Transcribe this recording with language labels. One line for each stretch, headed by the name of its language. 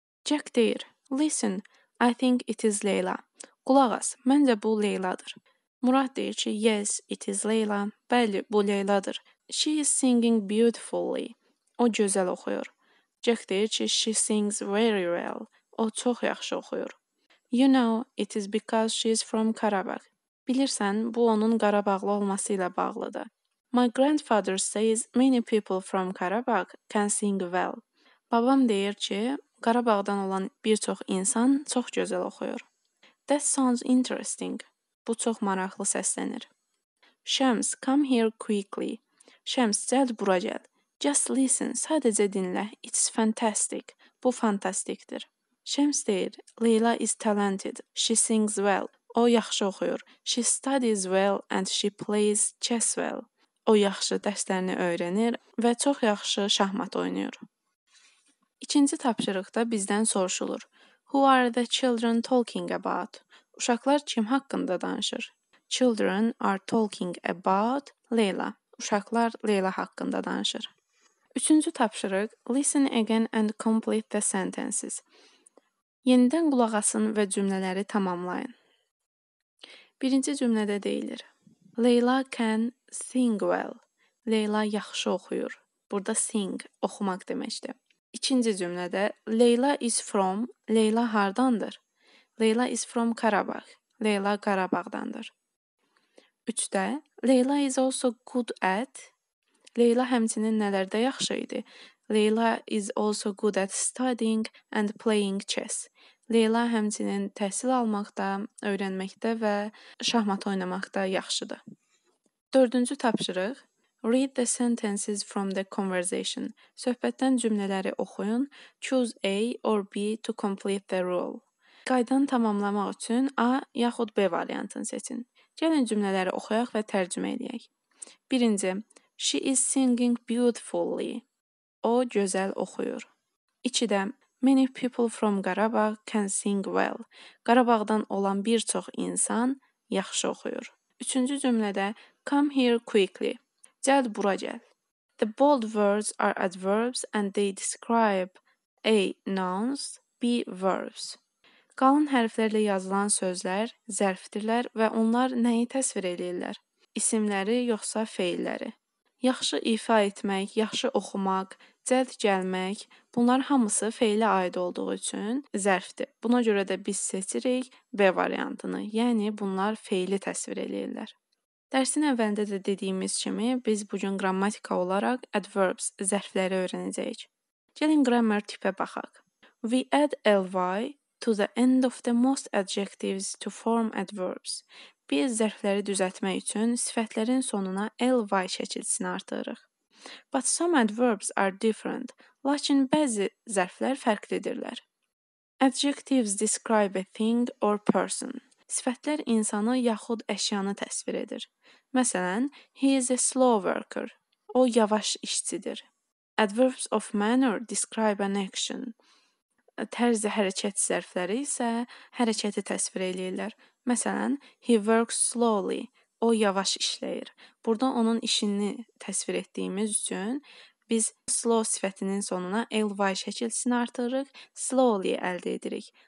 English: Jack
Azerbaijani: deyir,
English: listen, I think it is Leyla.
Azerbaijani: Qulaq as, məncə bu Leyladır. Murad deyir ki,
English: yes, it is Leyla.
Azerbaijani: Bəli, bu Leyladır.
English: She is singing beautifully.
Azerbaijani: O gözəl oxuyur. Jack deyir ki,
English: she sings very well.
Azerbaijani: O çox yaxşı oxuyur.
English: You know, it is because she is from Qarabağ.
Azerbaijani: Bilirsən, bu onun Qarabağlı olması ilə bağlıdır.
English: My grandfather says many people from Qarabağ can sing well.
Azerbaijani: Babam deyir ki, Qarabağdan olan bir çox insan çox gözəl oxuyur.
English: That sounds interesting.
Azerbaijani: Bu çox maraqlı səslənir.
English: Shams, come here quickly.
Azerbaijani: Shams, cəld bura gəl.
English: Just listen,
Azerbaijani: sadəcə dinlə.
English: It's fantastic.
Azerbaijani: Bu fantastikdir.
English: Shams
Azerbaijani: deyir,
English: Leyla is talented. She sings well.
Azerbaijani: O yaxşı oxuyur.
English: She studies well and she plays chess well.
Azerbaijani: O yaxşı dərslərini öyrənir və çox yaxşı şahmat oynayır. İkinci tapşırıqda bizdən soruşulur.
English: Who are the children talking about?
Azerbaijani: Uşaqlar kim haqqında danışır?
English: Children are talking about Leyla.
Azerbaijani: Uşaqlar Leyla haqqında danışır. Üçüncü tapşırıq.
English: Listen again and complete the sentences.
Azerbaijani: Yenidən qulaq asın və cümlələri tamamlayın. Birinci cümlədə deyilir.
English: Leyla can sing well.
Azerbaijani: Leyla yaxşı oxuyur. Burada sing, oxumaq deməkdir. İkinci cümlədə,
English: Leyla is from,
Azerbaijani: Leyla hardandır?
English: Leyla is from Qarabağ,
Azerbaijani: Leyla Qarabağdandır. Üçdə,
English: Leyla is also good at,
Azerbaijani: Leyla həmçinin nələrdə yaxşı idi?
English: Leyla is also good at studying and playing chess.
Azerbaijani: Leyla həmçinin təhsil almaqda, öyrənməkdə və şahmat oynamaqda yaxşıdır. Dördüncü tapşırıq.
English: Read the sentences from the conversation.
Azerbaijani: Söhbətdən cümlələri oxuyun.
English: Choose A or B to complete the rule.
Azerbaijani: Qaydanı tamamlamaq üçün A yaxud B variantını seçin. Gəlin cümlələri oxuyaq və tərcümə edək. Birinci,
English: she is singing beautifully.
Azerbaijani: O, gözəl oxuyur. İkidə,
English: many people from Qarabağ can sing well.
Azerbaijani: Qarabağdan olan bir çox insan yaxşı oxuyur. Üçüncü cümlədə,
English: come here quickly.
Azerbaijani: Cəld bura gəl.
English: The bold words are adverbs and they describe A. Nouns, B. Verbs.
Azerbaijani: Qalın hərflərlə yazılan sözlər zərfdirlər və onlar nəyi təsvir edirlər? İsimləri yoxsa feilləri? Yaxşı ifa etmək, yaxşı oxumaq, cəld gəlmək, bunlar hamısı feilə aid olduğu üçün zərfdir. Buna görə də biz seçirik B variantını, yəni bunlar feili təsvir edirlər. Dərsin əvvəlində də dediyimiz kimi, biz bugün qrammatika olaraq adverbs, zərfləri öyrənəcəyik. Gəlin grammar tipə baxaq.
English: We add ly to the end of the most adjectives to form adverbs.
Azerbaijani: Biz zərfləri düzəltmək üçün sifətlərin sonuna ly şəkilsini artırırıq.
English: But some adverbs are different.
Azerbaijani: Lakin bəzi zərflər fərqlidirlər.
English: Adjectives describe a thing or person.
Azerbaijani: Sifətlər insanı yaxud əşyanı təsvir edir. Məsələn,
English: he is a slow worker.
Azerbaijani: O yavaş işçidir.
English: Adverbs of manner describe an action.
Azerbaijani: Tərzi hərəkət zərfləri isə hərəkəti təsvir edirlər. Məsələn,
English: he works slowly.
Azerbaijani: O yavaş işləyir. Burada onun işini təsvir etdiyimiz üçün biz slow sifətinin sonuna ly şəkilsini artırırıq, slowly əldə edirik.